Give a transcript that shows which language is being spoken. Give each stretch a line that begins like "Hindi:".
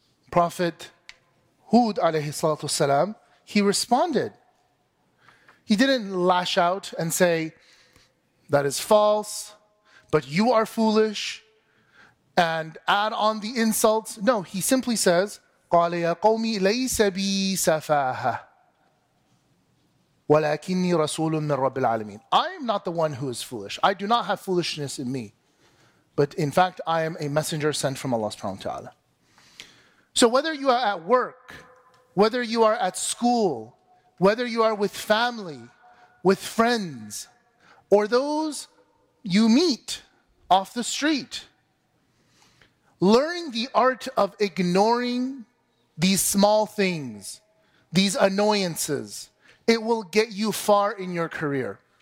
English: Prophet Hud alayhi salatu wasalam, he responded. He didn't lash out and say, that is false, but you are foolish, and add on the insults. No, he simply says,
Arabic: قَالَ يَا قَوْمِ لَيْسَ بِي سَفَاهَةً وَلَكِنِّي رَسُولٌ مِّن رَبِّ الْعَالَمِينَ.
English: I am not the one who is foolish. I do not have foolishness in me. But in fact, I am a messenger sent from Allah subhanahu wa ta'ala. So whether you are at work, whether you are at school, whether you are with family, with friends, or those you meet off the street, learning the art of ignoring these small things, these annoyances, it will get you far in your career.